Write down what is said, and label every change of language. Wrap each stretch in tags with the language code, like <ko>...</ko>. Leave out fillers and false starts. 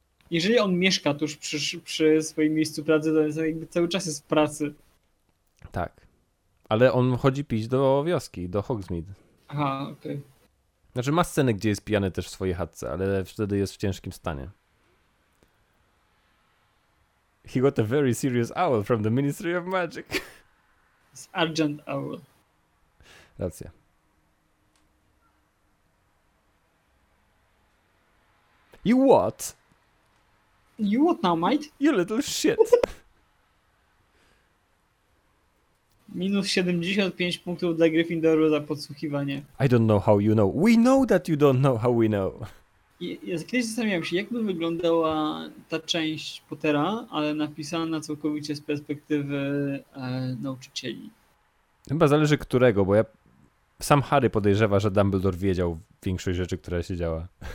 <pl>Jeżeli on mieszka tuż przy swoim miejscu pracy, to jest jakby cały czas jest w pracy. Tak. Ale on chodzi pić do wioski, do Hogsmeade. Aha, okej. Znaczy ma scenę, gdzie jest pijany też w swojej chatce, ale wtedy jest w ciężkim stanie.</pl> <en>He got a very serious owl from the Ministry of Magic. It's urgent owl.</en> <pl>Racja.</pl> <en>You what? You what now, mate? You little shit.</en> <pl>Minus 75 punktów dla Gryffindoru za podsłuchiwanie.</pl> <en>I don't know how you know. We know that you don't know how we know.</en> <pl>Kiedyś zastanawiałem się, jak by wyglądała ta część Pottera, ale napisana całkowicie z perspektywy nauczycieli. Chyba zależy którego, bo ja sam Harry podejrzewa, że Dumbledore wiedział większość rzeczy, która się działa.</pl>